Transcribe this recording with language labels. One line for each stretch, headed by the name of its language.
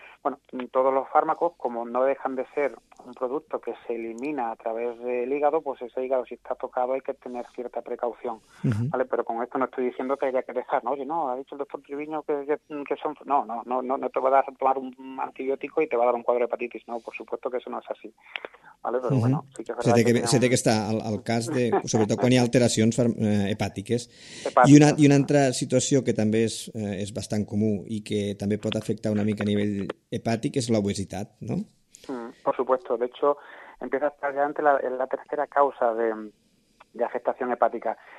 Spanish: Bueno, todos los fármacos, como no dejan de ser un producto que se elimina a través del hígado, pues ese hígado, si está tocado, hay que tener cierta precaución. ¿Vale? Pero con esto no estoy diciendo que haya que dejar, ¿no? Oye, no, ha dicho el doctor Triviño que son... No te va a dar a tomar un antibiótico y te va a dar un cuadro de hepatitis. No, por supuesto que eso no es así. ¿Vale? Pero bueno, sí que es verdad.
Catalan: Se té que estar al cas de... Sobretot quan hi ha alteracions hepàtiques. I una altra situació que també és bastant comú i que també pot afectar una mica a nivell hepàtic és l'obesitat, no?
Spanish: Por supuesto, de hecho, empieza a estar ya ante la tercera causa de afectación hepática.